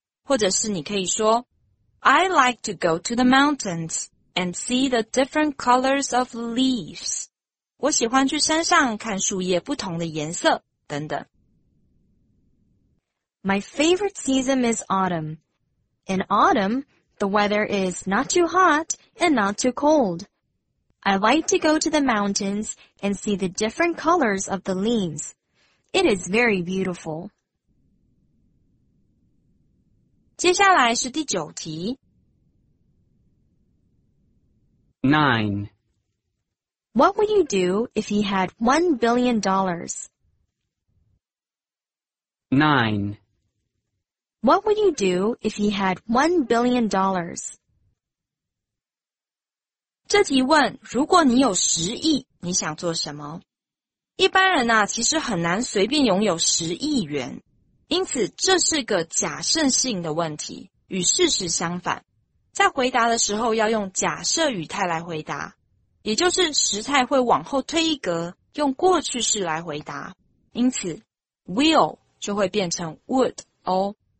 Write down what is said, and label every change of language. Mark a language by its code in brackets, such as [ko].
[en] 或者是你可以说I like to go to the mountains and see the different colors of leaves. [zh] 我喜欢去山上看树叶不同的颜色，等等。 [en] My favorite season is autumn. In autumn, the weather is not too hot and not too cold. I like to go to the mountains and see the different colors of the leaves. It is very beautiful. [zh] 接下来是第九题。 [en] 9. What would you do if you had $1 billion? 9. What would you do if you had $1 billion? [zh] 这题问，如果你有10亿，你想做什么？一般人啊，其实很难随便拥有10亿元，因此这是个假设性的问题，与事实相反。在回答的时候要用假设语态来回答，也就是时态会往后推一格，用过去式来回答，因此 will 就会变成 would 哦。